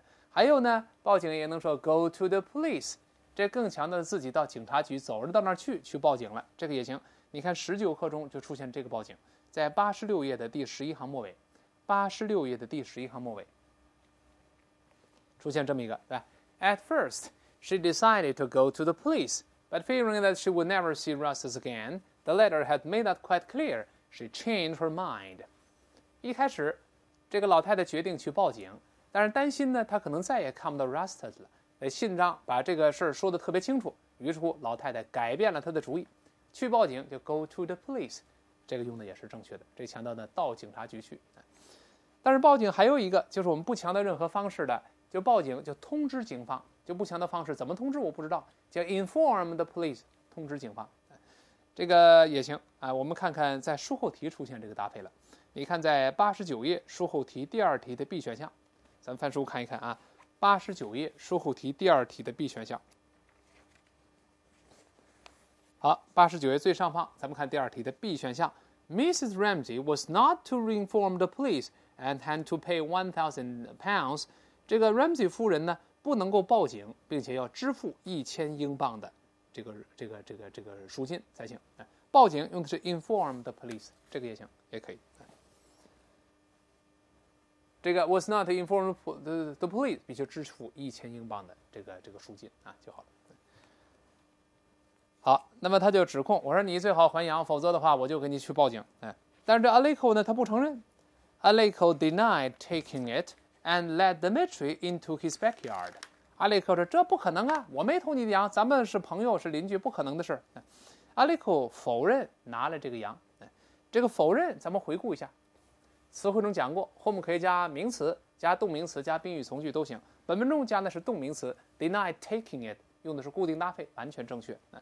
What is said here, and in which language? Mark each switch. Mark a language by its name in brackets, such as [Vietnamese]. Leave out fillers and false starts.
[Chinese] 还有呢，报警也能说 go to the police，这更强的自己到警察局走着到那儿去报警了，这个也行。你看十九课中就出现这个报警，在86页的第11行末尾出现这么一个，对吧？ [English] At first, she decided to go to the police, but fearing that she would never see Russ again, the letter had made that quite clear, she changed her mind. [Chinese] 一开始，这个老太太决定去报警，但是担心呢，她可能再也看不到 Russ 了。信章把这个事说得特别清楚，于是乎老太太改变了她的主意，去报警就 go to the police。这个用的也是正确的，这强调呢到警察局去。但是报警还有一个，就是我们不强调任何方式的，就报警就通知警方，就不强调方式，怎么通知我不知道，叫 inform the police，通知警方，这个也行。我们看看在书后题出现这个搭配了，你看在89页书后题第二题的 B 选项，咱们翻书看一看啊，89页书后题第二题的 B 选项。好，89页最上方，咱们看第二题的 B 选项。 [English] Mrs. Ramsey was not to inform the police and had to pay £1,000. [Chinese] 这个 Ramsey 夫人呢，不能够报警，并且要支付£1,000的这个赎金才行。报警用的是 inform the police，这个也行，也可以。这个 was not to inform the police，必须支付£1,000的这个赎金就好了。好，那么他就指控我说你最好还羊，否则的话我就给你去报警。哎，但是这 Aleko 呢，他不承认。 [English] Aleko denied taking it and led Dmitry into his backyard. [Chinese] Aleko 说这不可能啊，我没偷你的羊，咱们是朋友，是邻居，不可能的事。 Aleko 否认拿了这个羊。这个否认咱们回顾一下，词汇中讲过，后面可以加名词、加动名词、加宾语从句都行。本文中加的是动名词 deny taking it，用的是固定搭配，完全正确。